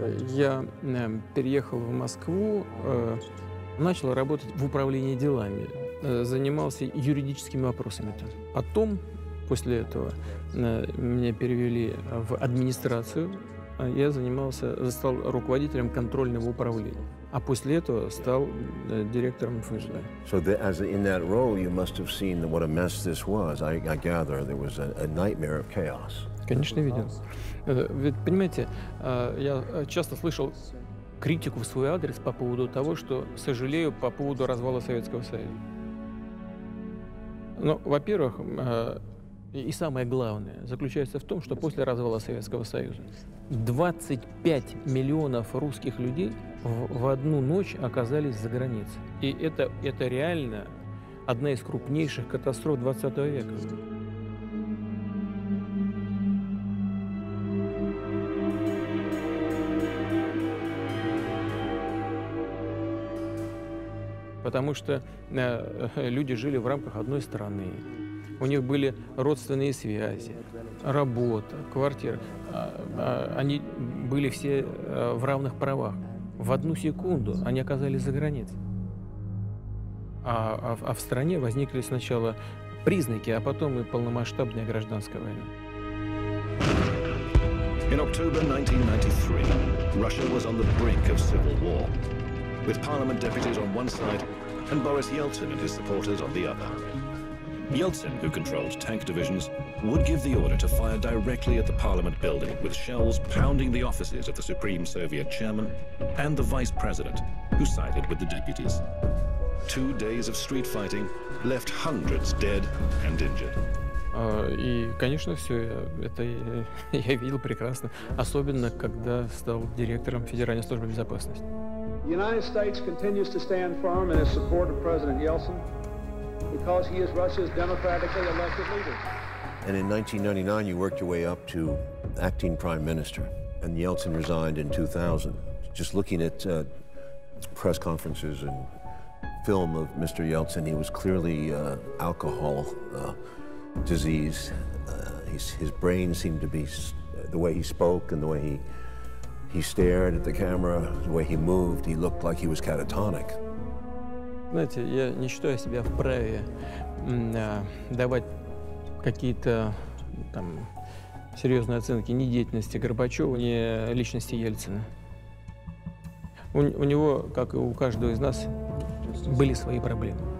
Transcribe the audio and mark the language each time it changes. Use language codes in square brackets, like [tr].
[ru] Я переехал в Москву, начал работать в управлении делами, занимался юридическими вопросами. Потом, после этого, меня перевели в администрацию, я стал руководителем контрольного управления. А после этого стал директором ФСБ. [en] So in that role you must have seen what a mess this was. I gather there was a nightmare of chaos. [ru] Конечно, виден. Ведь, понимаете, я часто слышал критику в свой адрес по поводу того, что сожалею по поводу развала Советского Союза. Но, во-первых, и самое главное заключается в том, что после развала Советского Союза 25 миллионов русских людей в одну ночь оказались за границей. И это реально одна из крупнейших катастроф 20 века. Потому что люди жили в рамках одной страны. У них были родственные связи, работа, квартира. Они были все в равных правах. В одну секунду они оказались за границей. А в стране возникли сначала признаки, а потом и полномасштабная гражданская война. [en] In October 1993, Russia was on the brink of civil war. With parliament deputies on one side, and Boris Yeltsin and his supporters on the other. Yeltsin, who controlled tank divisions, would give the order to fire directly at the parliament building, with shells pounding the offices of the Supreme Soviet chairman and the vice president, who sided with the deputies. 2 days of street fighting left hundreds dead and injured. [ru] И, конечно, все это я видел прекрасно, особенно когда стал директором Федеральной службы безопасности. [en] The United States continues to stand firm in its support of President Yeltsin because he is Russia's democratically elected leader. And in 1999, you worked your way up to acting prime minister, and Yeltsin resigned in 2000. Just looking at press conferences and film of Mr. Yeltsin, he was clearly alcohol disease. His brain seemed to be the way he spoke and the way he stared at the camera, the way he moved, he looked like he was catatonic. [ru] Знаете, я не считаю себя вправе давать какие-то там серьезные оценки ни деятельности Горбачева, ни личности Ельцина. У него, как и у каждого из нас, были свои проблемы.